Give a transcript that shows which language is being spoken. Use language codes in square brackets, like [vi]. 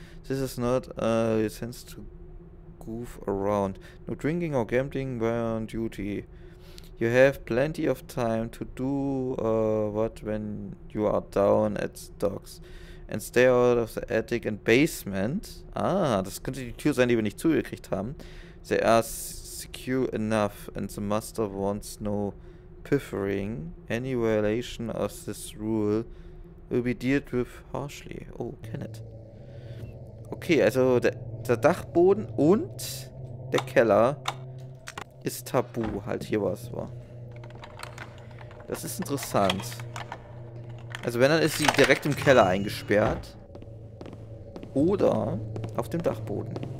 [en] This is not a license to goof around. No drinking or gambling while on duty. You have plenty of time to do what when you are down at the docks. And stay out of the attic and basement. [de] Ah, das könnte die Tür sein, die wir nicht zugekriegt haben. [en] They are secure enough and the master wants no piffering. Any violation of this rule will be dealt with harshly. Oh, Kenneth. [de] Okay, also der Dachboden und der Keller ist tabu. Halt, hier war es wahr. Das ist interessant. Also wenn, dann ist sie direkt im Keller eingesperrt. Oder auf dem Dachboden.